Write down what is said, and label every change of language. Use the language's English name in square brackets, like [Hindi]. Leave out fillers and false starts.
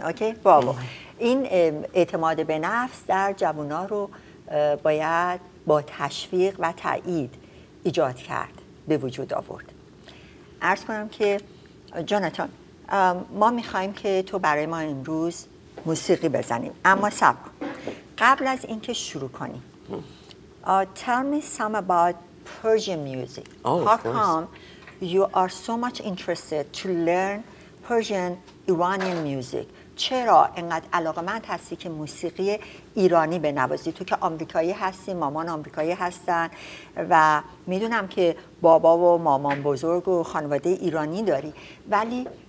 [Persian] اوکی بابا، این اعتماد به نفس در جوانا رو باید با تشویق و تایید ایجاد کرد، به وجود آورد. عرض کنم که جاناتان، ما میخواییم که تو برای ما امروز موسیقی بزنیم، اما صبر کن. قبل از اینکه شروع کنیم، [English] tell me some about Persian music. How come you are so much interested to learn Persian Iranian music؟ [Persian] چرا اینقدر علاقمند هستی که موسیقی ایرانی بنوازی؟ تو که آمریکایی هستی، مامان آمریکایی هستن و میدونم که بابا و مامان بزرگ و خانواده ایرانی داری، ولی